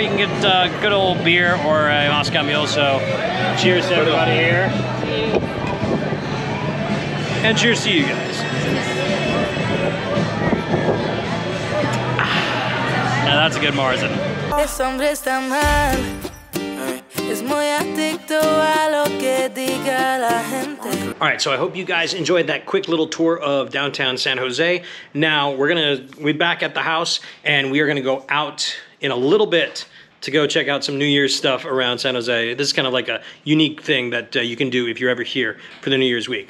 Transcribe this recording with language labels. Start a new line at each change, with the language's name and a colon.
English: You can get good old beer or a Moscow Mule. So cheers to everybody here. And cheers to you guys. Now that's a good Morrison.
Spanish: Ese hombre está mal. Es muy adicto a lo que diga la gente.
English: All right, so I hope you guys enjoyed that quick little tour of downtown San Jose. Now we're back at the house, and we are gonna go out in a little bit to go check out some New Year's stuff around San Jose. This is kind of like a unique thing that you can do if you're ever here for the New Year's week.